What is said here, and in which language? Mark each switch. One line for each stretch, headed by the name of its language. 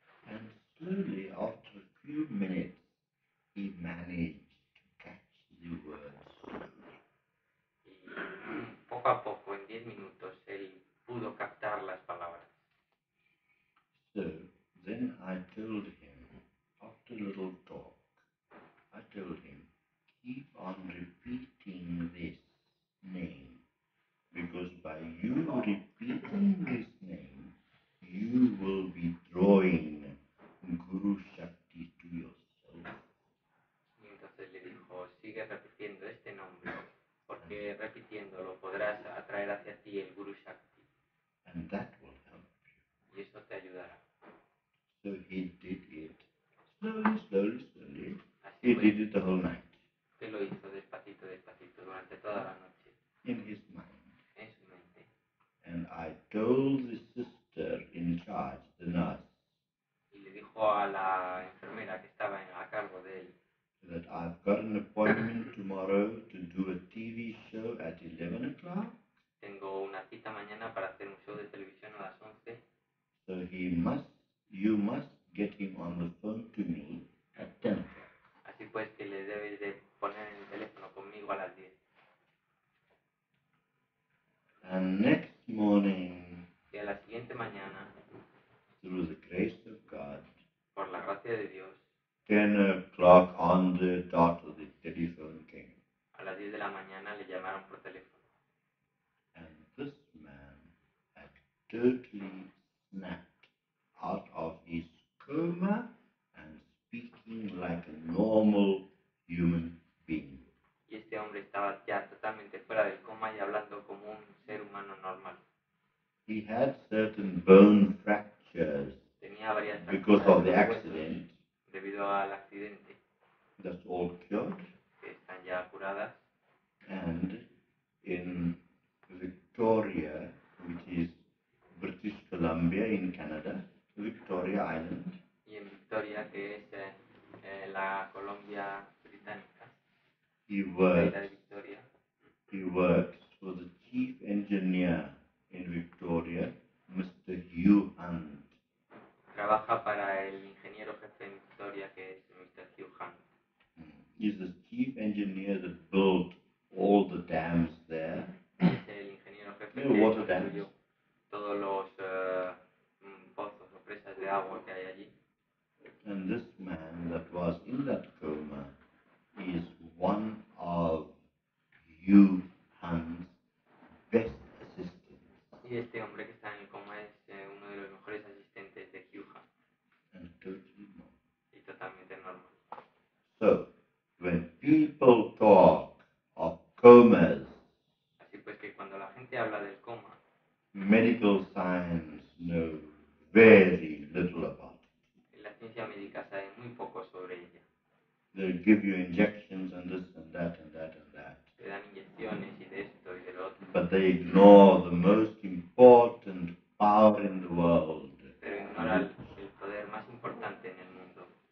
English: And slowly, after a few minutes, he managed to catch the words.
Spanish: Poco a poco, en 10 minutos, él pudo captar las palabras.
English: So, then I told him, after a little talk, I told him, keep on repeating this name, because by you repeating this name, you will be drawing Guru Shakti to yourself.
Spanish: Y entonces le dijo, sigue repitiendo este nombre. Porque repitiéndolo podrás atraer hacia ti el Guru Shakti.
English: And that will help you.
Spanish: Y eso te ayudará.
English: So he did it. Slowly. He did it the whole night.
Spanish: Que lo hizo despacito durante toda la noche.
English: In his mind.
Spanish: En su mente.
English: And I told the sister in charge, the nurse.
Spanish: Y le dijo a la enfermera que estaba a cargo de él.
English: That I've got an appointment tomorrow to do a TV show at 11 o'clock.
Spanish: Tengo una cita mañana para hacer un show de televisión a las 11.
English: So you must get him on the phone to me at 10 o'clock.
Spanish: Así pues que le debes de poner en el teléfono conmigo a las 10.
English: And next morning,
Spanish: y a la siguiente mañana,
English: through the grace of God,
Spanish: por la gracia de Dios,
English: 10 o'clock on the dot of the telephone came.
Spanish: A las 10 de la mañana le llamaron por teléfono.
English: And this man had totally snapped out of his coma and speaking like a normal human being.
Spanish: Y este hombre estaba ya totalmente fuera del coma y hablando como un ser humano normal.
English: He had certain bone fractures.
Spanish: Tenía varias fracturas
English: because of the accident.
Spanish: Debido al accidente.
English: That's all cured.
Spanish: Que están ya curadas.
English: And in Victoria, which is British Columbia in Canada, Victoria Island.
Spanish: Y en Victoria, que es la Colombia Británica.
English: He works for the chief engineer in Victoria, Mr. Hugh Hunt.
Spanish: Trabaja para el ingeniero jefe en Victoria, que es Mr. Hugh Hunt.
English: He's the chief engineer that built all the dams there.
Spanish: Es el ingeniero jefe que
English: water dams.
Spanish: Todos los pozos o presas de agua que hay allí.
English: And this man that was in that coma is one of Hugh Hunt's best assistants.
Spanish: Y este hombre que está en el coma es uno de los mejores asistentes de Hugh Hunt.
English: And totally normal.
Spanish: Y totalmente normal.
English: So, when people talk of comas,
Spanish: así pues que cuando la gente habla del coma,
English: medical science know very little about it.
Spanish: La ciencia médica sabe muy poco sobre ella.
English: They give you injections and this and that and that and that.
Spanish: Te dan inyecciones y de esto y del otro.
English: But they ignore the most important power in the world.
Spanish: Pero ignora el poder más importante en el mundo.